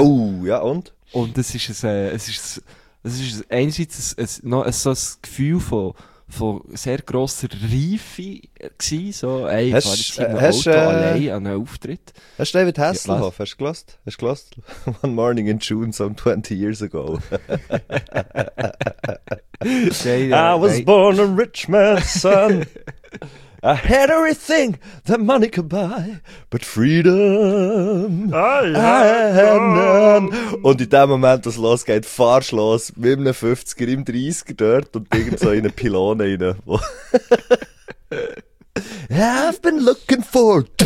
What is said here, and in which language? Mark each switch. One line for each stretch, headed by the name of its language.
German: Oh, ja, und? Und es ist einerseits ein Gefühl von sehr grosser Reife gewesen, so, ey, hast du allein an einem Auftritt. Hast du David Hasselhoff, ja, hast du gehört?
English: One morning in June, some 20 years ago. I was born a rich man's son. I had everything that money could buy, but freedom I had none.
German: Und in dem Moment, wo es losgeht, fahrst du los mit einem 50er im 30er dort und irgend so in eine Pylone rein.
English: I've been looking for...